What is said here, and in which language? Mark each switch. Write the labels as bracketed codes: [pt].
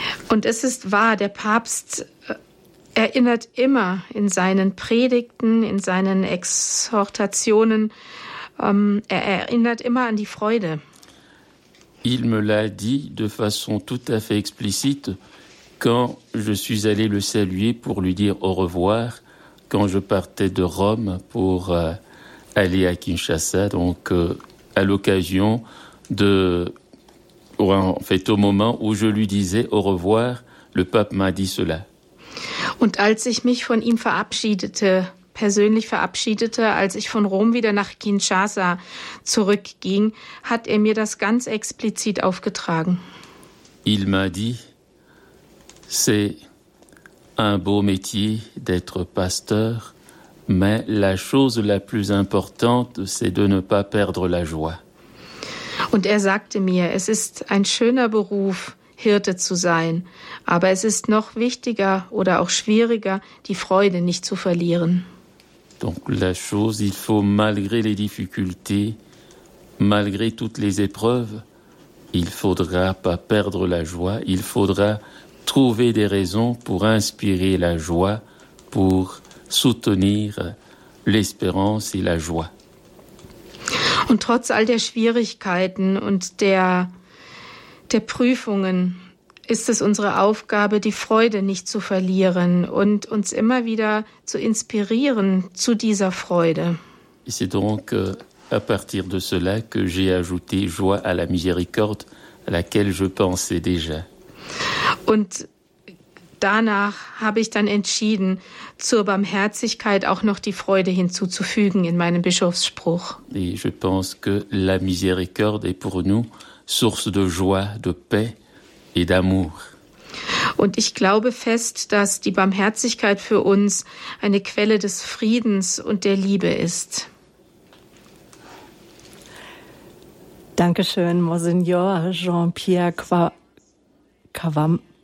[de] Und es ist wahr, der Papst erinnert immer in seinen Predigten, in seinen Exhortationen, er erinnert immer an die Freude. [fr] Il me l'a dit de façon tout à fait explicite quand je suis allé le saluer pour lui dire au revoir quand je partais de Rome pour aller à Kinshasa, donc à l'occasion de... En fait, au moment où je lui disais au revoir, le pape m'a dit cela. [de] Und als ich mich von ihm verabschiedete, persönlich verabschiedete, als ich von Rom wieder nach Kinshasa zurückging, hat mir das ganz explizit aufgetragen. [fr] Il m'a dit, c'est un beau métier d'être pasteur, mais la chose la plus importante, c'est de ne pas perdre la joie. [de] Und sagte mir, es ist ein schöner Beruf, Hirte zu sein, aber es ist noch wichtiger oder auch schwieriger, die Freude nicht zu verlieren. [fr] Donc la chose, il faut malgré les difficultés, malgré toutes les épreuves, il faudra pas perdre la joie, il faudra trouver des raisons pour inspirer la joie, pour soutenir l'espérance et la joie. [de] Und trotz all der Schwierigkeiten und der Prüfungen ist es unsere Aufgabe, die Freude nicht zu verlieren und uns immer wieder zu inspirieren zu dieser Freude. [fr] C'est donc à partir de cela que j'ai ajouté joie à la miséricorde à laquelle je pensais déjà. [de] Und danach habe ich dann entschieden, zur Barmherzigkeit auch noch die Freude hinzuzufügen in meinem Bischofsspruch. [fr] Et je pense que la miséricorde est pour nous source de joie, de paix et d'amour. [de] Und ich glaube fest, dass die Barmherzigkeit für uns eine Quelle des Friedens und der Liebe ist. Dankeschön, Monsignor Jean-Pierre Kavam.